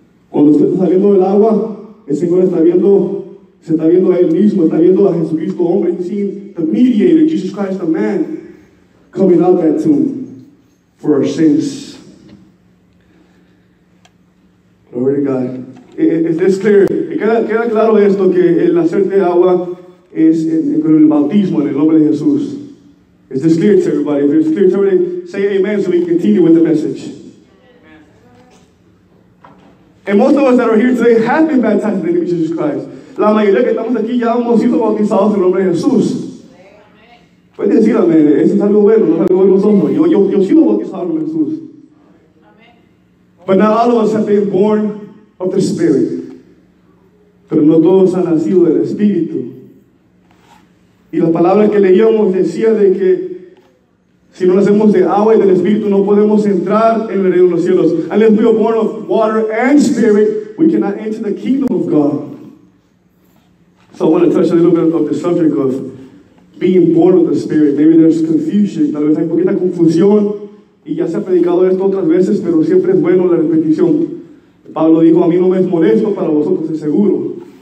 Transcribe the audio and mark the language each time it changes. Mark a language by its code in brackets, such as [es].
[es] Cuando usted está saliendo del agua, el Señor está viendo, se está viendo a Él mismo, está viendo a Jesucristo hombre, [en] he's seeing the mediator, Jesus Christ, the man, coming out of that tomb for our sins. Glory to God. Is this clear? [es] ¿Queda claro esto, que el nacer de agua es con el bautismo en el nombre de Jesús? [en] Is this clear to everybody? If it's clear to everybody, say amen so we can continue with the message. And most of us that are here today have been baptized in the name of Jesus Christ. [es] La mayoría que estamos aquí ya hemos sido bautizados en el nombre de Jesús. Puedes decir amén, eso es algo bueno, no es algo vergonzoso. Yo sigo bautizado en el nombre de Jesús. [en] But not all of us have been born of the Spirit. [es] Pero no todos han nacido del Espíritu. Y la palabra que leíamos decía de que si no nacemos de agua y del Espíritu, no podemos entrar en el reino de los cielos. [en] Unless we are born of water and spirit, we cannot enter the kingdom of God. So I want to touch a little bit of the subject of being born of the Spirit. Maybe there's confusion. [es] Tal vez hay poquita confusión. Y ya se ha predicado esto otras veces, pero siempre es bueno la repetición. Pablo dijo, a mí no me es molesto, para vosotros es seguro.